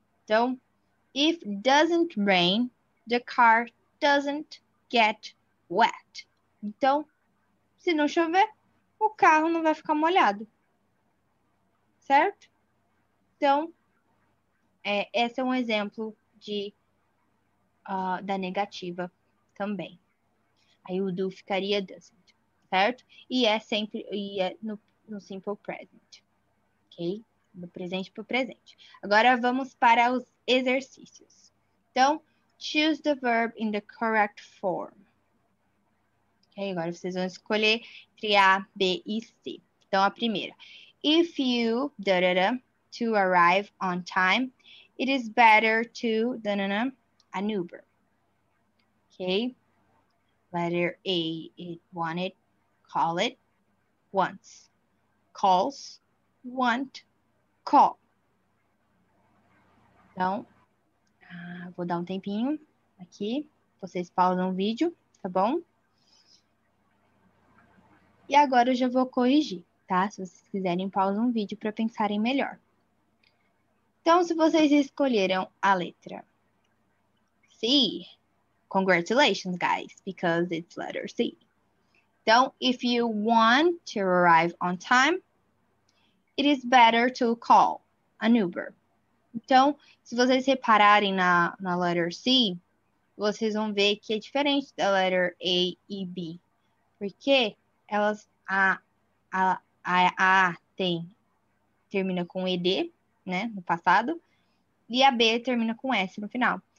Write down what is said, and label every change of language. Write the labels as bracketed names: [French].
[English] Então, if doesn't rain, the car doesn't get wet. [Portuguese] Então, se não chover, o carro não vai ficar molhado. Certo? Então, esse é um exemplo da negativa também. Aí o do ficaria doesn't, certo? E é sempre e é no simple present, ok? No presente para o presente. Agora vamos para os exercícios. [English] Então, choose the verb in the correct form. Ok? [Portuguese] Agora vocês vão escolher entre A, B e C. Então, a primeira. [English] If you da-da-da, to arrive on time, it is better to da-da-da, an Uber. Okay. Letter A, it wanted, call it, once. Calls, want, call. [Portuguese] Então, vou dar um tempinho aqui. Vocês pausam o vídeo, tá bom? E agora eu já vou corrigir, tá? Se vocês quiserem, pausam o vídeo para pensarem melhor. Então, se vocês escolheram a letra C, [English] congratulations, guys, because it's letter C. Então, if you want to arrive on time, it is better to call an Uber. [Portuguese] Então, se vocês repararem na letter C, vocês vão ver que é diferente da letter A e B. Porque elas, a tem, termina com ED, né, no passado, e a B termina com S no final.